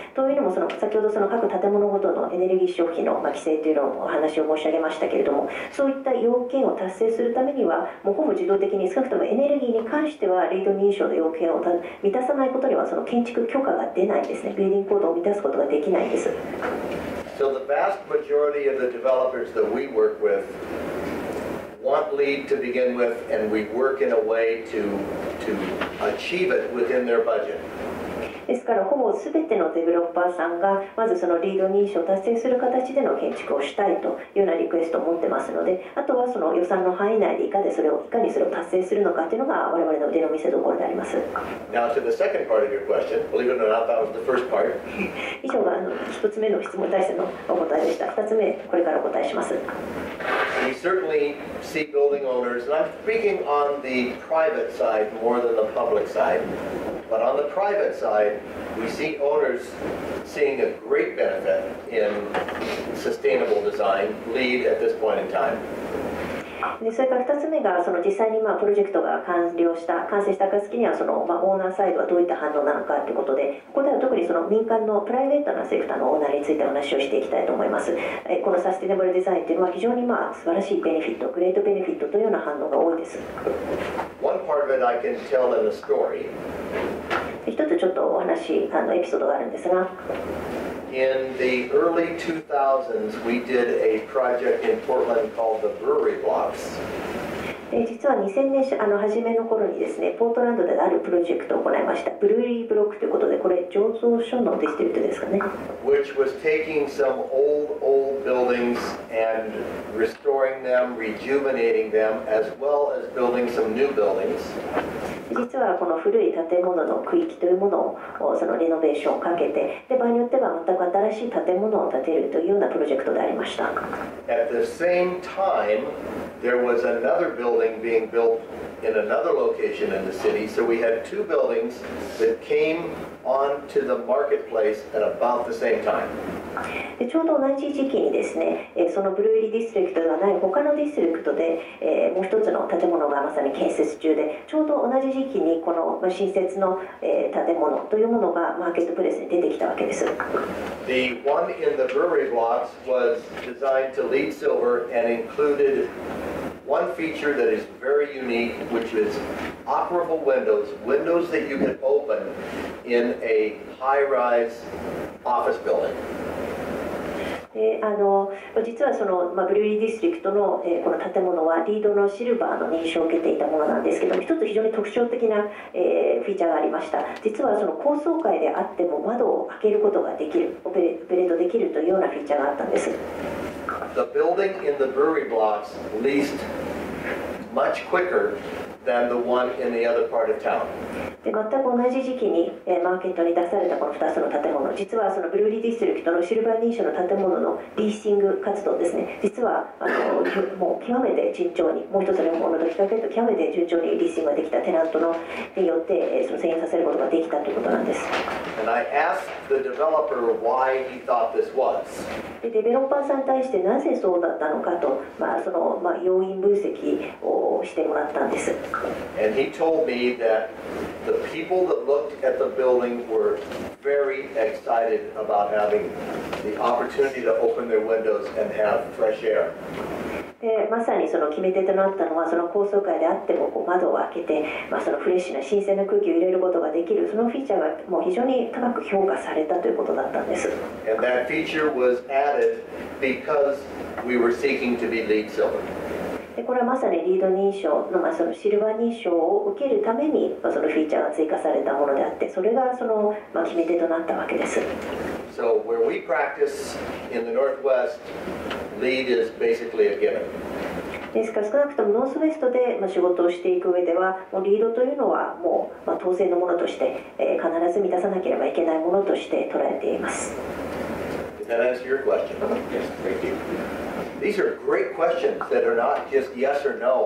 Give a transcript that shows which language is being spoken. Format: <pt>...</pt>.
<ja>というのもその先ほどその各建物ごとのエネルギー消費の、まあ、規制というのをお話を申し上げましたけれども、そういった要件を達成するためにはもうほぼ自動的に少なくともエネルギーに関してはリード認証の要件を満たさないことにはその建築許可が出ないんですね。ビルディングコードを満たすことができないんです。</ja> <en>So the vast majority of the developers that we work withWant LEED to begin with, and we work in a way to achieve it within their budget.</en> <ja>ですからほぼすべてのデベロッパーさんがまずそのリード認証を達成する形での建築をしたいというようなリクエストを持ってますので、あとはその予算の範囲内でいかにそれを達成するのかというのが我々の腕の見せ所であります。</ja> <en>Now to the second part of your question, believe it or not, that was the first part.</en> <ja>以上があの一つ目の質問に対してのお答えでした。二つ目これからお答えします。</ja> <en>We certainly see building owners, and I'm speaking on the private side more than the public side, but on the private side, we see owners seeing a great benefit in sustainable design, LEED at this point in time.</en> <ja>でそれから2つ目がその実際にまあプロジェクトが完成した暁にはその、まあ、オーナーサイドはどういった反応なのかということで、ここでは特にその民間のプライベートなセクターのオーナーについてお話をしていきたいと思います。このサスティナブルデザインというのは非常にまあ素晴らしいベネフィット、グレートベネフィットというような反応が多いです。</ja> <en>One part of it I can tell in a story.</en> <ja>一つちょっとお話あのエピソードがあるんですが、</ja> <en>In the early 2000s, we did a project in Portland called the Brewery Blocks.</en> <ja>実は2000年あの初めの頃にですね、ポートランドであるプロジェクトを行いました。ブルーリーブロックということで、これ醸造所のディストリートですかね。</ja> <en>Which was taking some old buildings and restoring them, rejuvenating them, as well as building some new buildings.</en> <ja>実はこの古い建物の区域というものをそのリノベーションをかけて、で場合によっては全く新しい建物を建てるというようなプロジェクトでありました。</ja> <en>At the same time, there was another building being built in another location in the city, so we had two buildings that came onto the marketplace at about the same time.</en> <ja>でちょうど同じ時期にですね、そのブルーリーディストリクトではない他のディストリクトで、もう一つの建物がまさに建設中で、ちょうど同じ時期にこの新設の、建物というものがマーケットプレイスに出てきたわけです。</ja> <en>The one in the brewery blocks was designed to LEED silver and included one feature that is very unique, which is operable windows, windows that you can open in a high-rise office building.</en> <ja>実はその、まあ、ブルーリーディストリクトの、この建物はリードのシルバーの認証を受けていたものなんですけども、一つ非常に特徴的な、フィーチャーがありました。実はその高層階であっても窓を開けることができる、オペレートできるというようなフィーチャーがあったんです。</ja> <en>The building in the brewery blocks leased much quicker than the one in the other part of town.</en> <ja>で、全く同じ時期に、マーケットに出されたこの2つの建物、実はそのブルーリーディストリクトのシルバー認証の建物のリーシング活動ですね、実はもう極めて順調に、もう一つの方の時だけと極めて順調にリーシングができた、テナントのによって、その遷移させることができたということなんです。</ja> <en>And I asked the developer why he thought this was.</en> <ja>で、デベロッパーさんに対してなぜそうだったのかと、まあ、その、まあ、要因分析をしてもらったんです。</ja> <en>And he told me that the people that looked at the building were very excited about having the opportunity to open their windows and have fresh air.</en> <ja>で、まさにその決め手となったのは、その高層階であってもこう窓を開けて、まあ、そのフレッシュな新鮮な空気を入れることができる、そのフィーチャーがもう非常に高く評価されたということだったんです。</ja> <en>And that feature was added because we were seeking to be LEED Silver.</en> <ja>でこれはまさにリード認証 の、まあ、そのシルバー認証を受けるために、まあ、そのフィーチャーが追加されたものであって、それがその、まあ、決め手となったわけです。</ja> <en>So where we practice in the Northwest, LEED is basically a given.</en> <ja>ですから少なくともノースウェストで、まあ、仕事をしていく上では、もうリードというのはもう、まあ、当然のものとして、必ず満たさなければいけないものとして捉えています。</ja> <en>Did that answer your question? Yes, thank you. These are great questions that are not just yes or no.</en>